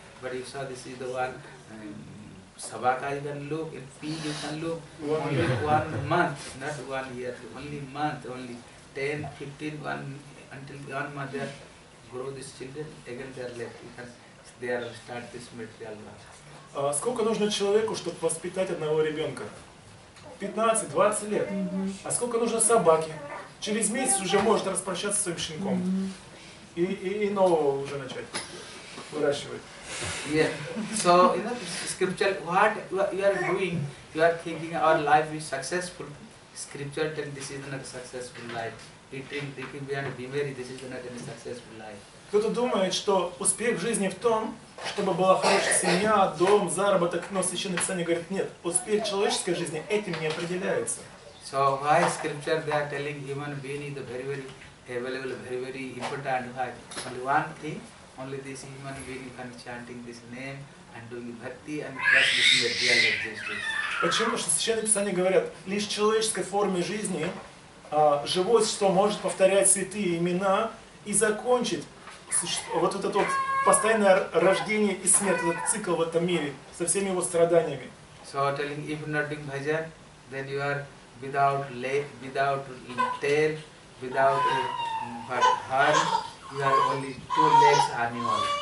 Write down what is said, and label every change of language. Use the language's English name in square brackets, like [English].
[English] But you saw this is the one, sabaka you can look, a pig you can look, only 1 month, not 1 year, only month, only 10, 15, one, until 1 month they grow these children, again they are left, you can they are start this material now. [Russian] Сколько нужно человеку, чтобы воспитать одного ребенка? 15-20 лет. Mm-hmm. А сколько нужно собаке? Через месяц уже может распрощаться с своим щенком. Mm-hmm. И нового уже начать выращивать. [English] Yeah. So, you know, scripture, what you are doing, you are thinking our life is successful. Scripture tells this is not a successful life. Eating, drinking, we are beware, this is not a successful life. [Russian] Кто-то думает, что успех в жизни в том, чтобы была хорошая семья, дом, заработок, но Священное Писание говорит, нет, успех человеческой жизни этим не определяется. [English] So why scripture they are telling human being is the very very available, very very important, why? Only one thing, only this human being can chanting this name and doing bhakti and trust this material existence. [Russian] Почему? Потому что Священное Писание говорят, лишь в человеческой форме жизни живое существо может повторять святые имена и закончить вот это вот постоянное рождение и смерть, этот цикл в этом мире со всеми его страданиями. [English] So telling if not doing bhajan, then you are without leg, without tail, without heart, you are only two legs animal.